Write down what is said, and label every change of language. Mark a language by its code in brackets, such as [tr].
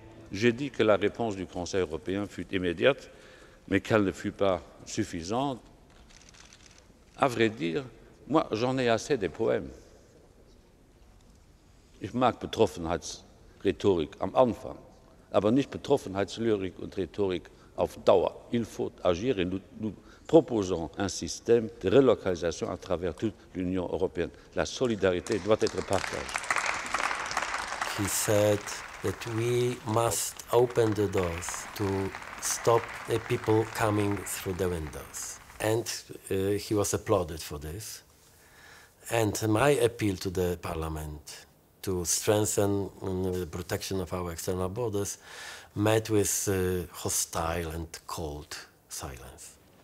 [fr] J'ai dit que la réponse du Conseil européen fut immédiate, mais qu'elle ne fut pas suffisante. À vrai dire, moi, j'en ai assez des poèmes. [de] Ich mag Betroffenheitsrhetorik am Anfang, aber nicht Betroffenheitslyrik und Rhetorik auf Dauer. [fr] Il faut agir et nous proposons un système de relocalisation à travers toute l'Union européenne. La solidarité doit être partagée. [en] He said that we must open the doors to stop the people coming through the windows. And he was applauded for this. And my appeal to the parliament to strengthen the protection of our external borders met with hostile and cold silence.